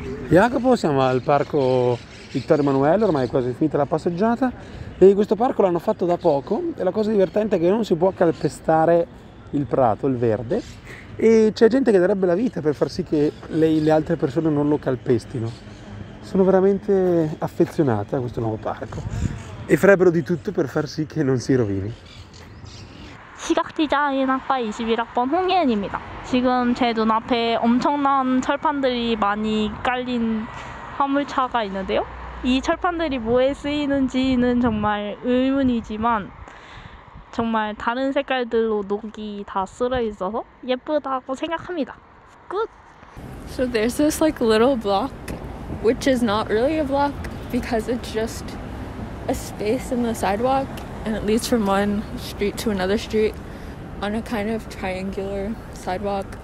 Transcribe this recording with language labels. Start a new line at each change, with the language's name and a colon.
Italian: Jacopo, siamo al parco Vittorio Emanuele, ormai è quasi finita la passeggiata e questo parco l'hanno fatto da poco e la cosa divertente è che non si può calpestare il prato, il verde, e c'è gente che darebbe la vita per far sì che le altre persone non lo calpestino. Sono veramente affezionata a questo nuovo parco e farebbero di tutto per far sì che non si rovini.
Korean: 시각 디자인학과 21학번 홍예은입니다. 지금 제 눈앞에 엄청난 철판들이 많이 깔린 화물차가 있는데요. 이 철판들이 뭐에 쓰이는지는 정말 의문이지만 정말 다른 색깔들로 녹이 다 쓸어 있어서 예쁘다고 생각합니다. 끝!
English: So there's this like little block, which is not really a block because it's just a space in the sidewalk and it leads from one street to another street on a kind of triangular sidewalk.